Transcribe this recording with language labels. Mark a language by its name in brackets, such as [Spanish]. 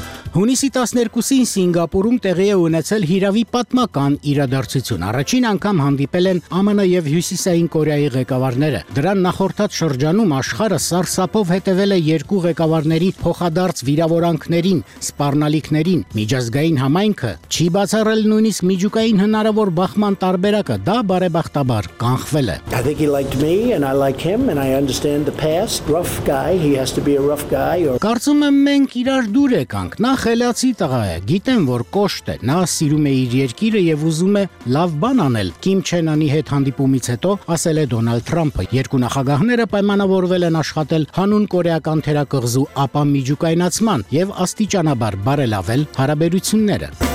[Armenian] Հունիսի 12-ին Սինգապուրում տեղի է ունեցել հիրավի պատմական իրադարձություն։ Առաջին անգամ հանդիպել են ԱՄՆ և Հյուսիսային Կորեայի ղեկավարները։ Դրան նախորդած շրջանում աշխարը սարսափով հետևել է երկու ղեկավարների փոխադարձ վիրավորանքներին, սպառնալիքներին։ Միջազգային համայնքը չի բացառել նույնիսկ միջուկային հնարավոր բախման տարբերակը, դա բարեբախտաբար կանխվել է։ [English] I think he liked me and I like him and I understand the past. Rough guy, he has to be a rough guy. [Armenian] Կարծում եմ մենք իրար դուր եկանք։ Նա խելացի տղա է, գիտեմ, որ կոշտ է, նա սիրում է իր երկիրը և ուզում է լավ բան անել, Կիմ Չեն Անի հետ հանդիպումից հետո, ասել է Դոնալդ Թրամփը։ Երկու նախագահները պայմանավորվել են աշխատել հանուն կորեական թերակղզու ապա միջուկայնացման և աստիճանաբար բարելավել հարաբերությունները։